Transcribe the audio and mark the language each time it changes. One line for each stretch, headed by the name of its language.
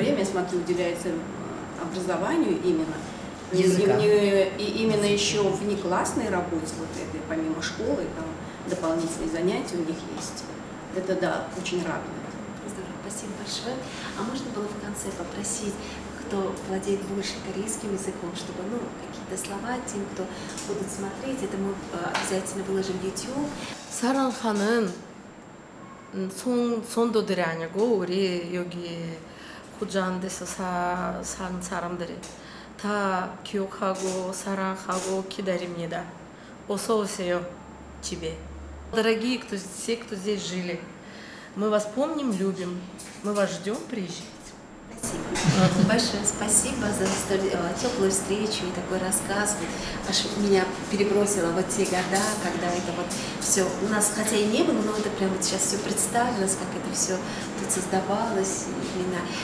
Russian: время, я смотрю, уделяется образованию именно. И именно еще внеклассной работе, вот этой, помимо школы, там дополнительные занятия у них есть. Это, да, очень радует. Здорово, спасибо большое. А можно было в конце попросить, кто владеет больше корейским языком, чтобы, ну, какие-то слова тем, кто будут смотреть, это мы обязательно выложим в YouTube.
Korean: 사랑하는 성도들이 아니고 우리 여기 고주한 데서 산 사람들이 다 기억하고 사랑하고 기다립니다. 어서 오세요 집에.
Russian: Дорогие, кто, все, кто здесь жили, мы вас помним, любим. Мы вас ждем, приезжайте. Спасибо. Большое спасибо за теплую встречу и такой рассказ. Аж меня перебросило вот те года, когда это вот все у нас, хотя и не было, но это прямо вот сейчас все представилось, как это все тут создавалось именно.